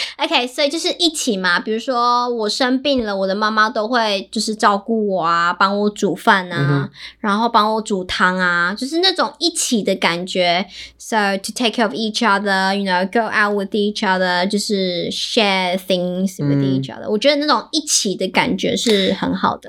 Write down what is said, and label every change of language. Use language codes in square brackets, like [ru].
[zh] OK, 所以就是一起嘛, 比如说我生病了, 我的妈妈都会就是照顾我啊, 帮我煮饭啊, mm-hmm. 然后帮我煮汤啊, 就是那种一起的感觉。 [en] So to take care of each other, you know, go out with each other, [zh] 就是 [en] share things with each other. [zh] 我觉得那种一起的感觉是很好的。